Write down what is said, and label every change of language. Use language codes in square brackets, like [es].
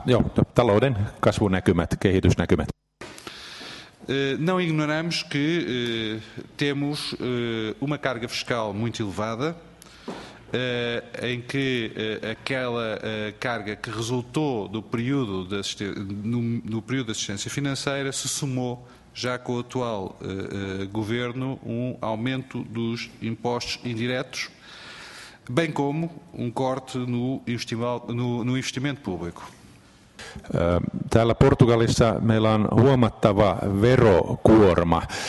[fi] Joo, talouden kasvunäkymät, kehitysnäkymät. [pt] Não ignoramos que temos uma carga fiscal muito elevada, em que aquela carga que resultou do período no período de assistência financeira se somou já com o atual governo um aumento dos impostos indiretos, bem como um corte no investimento público. [fi] Täällä Portugalissa meillä on huomattava verokuorma.